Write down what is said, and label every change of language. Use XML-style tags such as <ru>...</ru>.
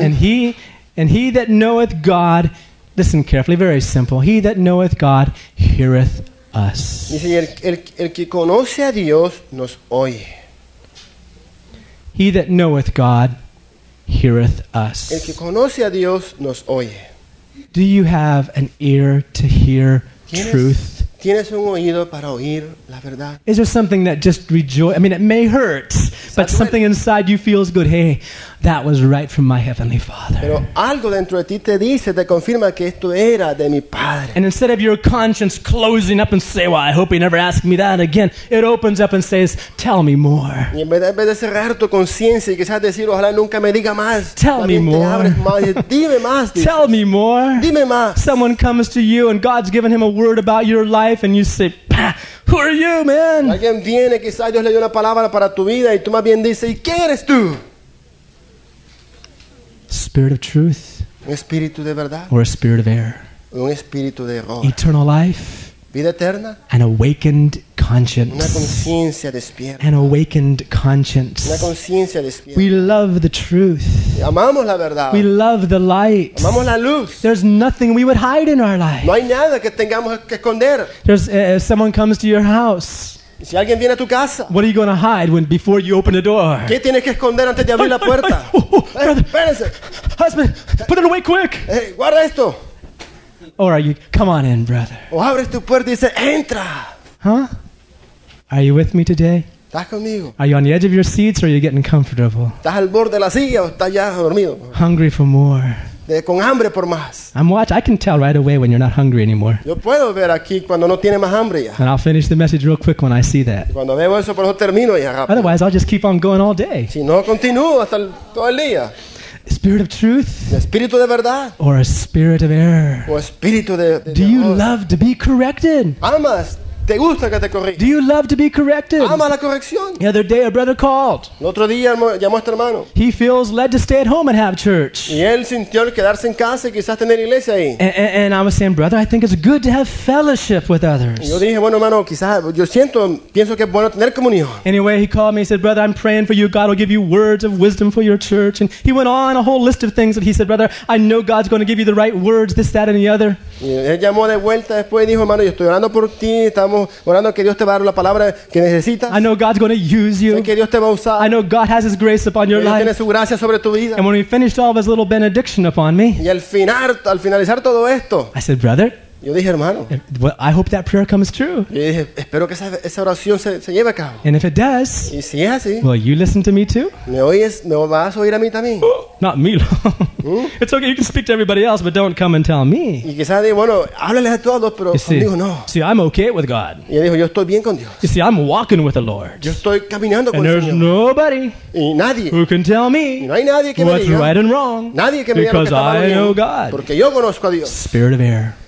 <en>And he that knoweth God, listen carefully, very simple. He that knoweth God heareth us.</en> <es>Dice, el que conoce a Dios nos oye.</es> <en>He that knoweth God heareth us.</en> <es>El que conoce a Dios nos oye.</es> <en>Do you have an ear to hear truth?</en> <es>¿Tienes un oído para oír la verdad?</es> <en>Is there something that just rejoices? I mean, it may hurt, but something inside you feels good. Hey, that was right from my heavenly Father.</en> <es>Pero algo dentro de ti te dice, te confirma que esto era de mi Padre.</es> <en>And instead of your conscience closing up and say, "Well, I hope he never asks me that again," it opens up and says, "Tell me more."</en> <es>Y en vez de cerrar tu conciencia y quizás decir, "Ojalá nunca me diga más."</es> <en>Tell me more.</en> <es>Abres más, dime más. Dices.</es> <en>Tell me more.</en> <es>Dime más.</es> <en>Someone comes to you and God's given him a word about your life, and you say, "Pah, who are you, man?"</en> <es>Alguien viene, quizás Dios le dio una palabra para tu vida, y tú más bien dices, "¿Y quién eres tú?"</es> <en>Spirit of truth.</en> <es>Un espíritu de verdad.</es> <en>Or a spirit of error.</en> <es>Un espíritu de error.</es> <en>Eternal life.</en> <es>Vida eterna.</es> <en>An awakened conscience.</en> <es>Una conciencia despierta.</es> <en>An awakened conscience.</en> <es>Una conciencia despierta.</es> <en>We love the truth.</en> <es>Y amamos la verdad.</es> <en>We love the light.</en> <es>Amamos la luz.</es> <en>There's nothing we would hide in our life.</en> <es>No hay nada que tengamos que esconder.</es> <en>There's if someone comes to your house.</en> <es>Si alguien viene a tu casa,</es> <en>what are you going to hide when before you open the door?</en> <es>¿Qué tienes que esconder antes de abrir la puerta? Espérense.</es> <en>Husband, put it away quick.</en> <es>Hey, guarda esto.</es> <en>Or are you, come on in, brother.</en> <es>O abres tu puerta y dices, entra.</es> <en>Huh? Are you with me today?</en> <es>¿Estás conmigo?</es> <en>Are you on the edge of your seats or are you getting comfortable?</en> <es>¿Estás al borde de la silla o estás ya dormido?</es> <en>Hungry for more.</en> <es>Con hambre por más.</es> <en>I'm watching. I can tell right away when you're not hungry anymore.</en> <es>Yo puedo ver aquí cuando no tiene más hambre ya.</es> <en>And I'll finish the message real quick when I see that.</en> <es>Cuando veo eso, por eso termino ya rápido.</es> <en>Otherwise, I'll just keep on going all day.</en> <es>Si no, continúo hasta todo el día.</es> <en>Spirit of truth.</en> <es>Espíritu de verdad.</es> <en>Or a spirit of error.</en> <es>O espíritu de error.</es> <en>Do you love to be corrected?</en> <es>Amas. ¿Te gusta que te corrijan?</es> <en>Do you love to be corrected?</en> <es>Ama la corrección.</es> <en>The other day a brother called.</en> <es>El otro día llamó a este hermano.</es> <en>He feels led to stay at home and have church.</en> <es>Y él sintió el quedarse en casa y quizás tener iglesia ahí.</es> <en>And I was saying, brother, I think it's good to have fellowship with others.</en> <es>Y yo dije, bueno, hermano, quizás yo siento, pienso que es bueno tener comunión.</es> <en>Anyway, he called me and said, "Brother, I'm praying for you. God will give you words of wisdom for your church." And he went on a whole list of things that he said, "Brother, I know God's going to give you the right words, this, that, and the other."</en> <es>Y él llamó de vuelta después y dijo, "Hermano, yo estoy orando por ti, estamos orando que Dios te va a dar la palabra que necesitas."</es> <en>I know God's going to use you.</en> <es>Sé que Dios te va a usar.</es> <en>I know God has His grace upon your life.</en> <es>Tiene su gracia sobre tu vida.</es> <en>And when he finished all of his little benediction upon me,</en> <es>y al finalizar todo esto,</es> <en>I said, "Brother."</en> <es>Yo dije, "Hermano."</es> <en>Well, I hope that prayer comes true.</en> <es>Yo dije, espero que esa oración se lleve a cabo.</es> <en>And if it does,</en> <es>y si es así,</es> <en>well, you listen to me too.</en> <es>Me oyes, me vas a oír a mí también.</es> <en>Not me. It's okay, you can speak to everybody else, but don't come and tell me.</en> <es>Y quizás dijo, bueno, háblales a todos, pero conmigo no.</es> <en>See, I'm okay with God.</en> <es>Y él dijo, yo estoy bien con Dios.</es> <en>You see, I'm walking with the Lord.</en> <es>Yo estoy caminando con</es> <en>and</en> <es>el</es> <en>there's</en> <es>Señor.</es> <en>Nobody</en> <es>y nadie</es> <en>who can tell me</en> <es>no hay nadie que</es> <en>what's</en> <es>me diga</es> <en>right and wrong</en> <es>nadie que</es> <en>because</en> <es>me diga</es> <en>I know God.</en> <es>Porque yo conozco a Dios.</es> <en>Spirit of error.</en>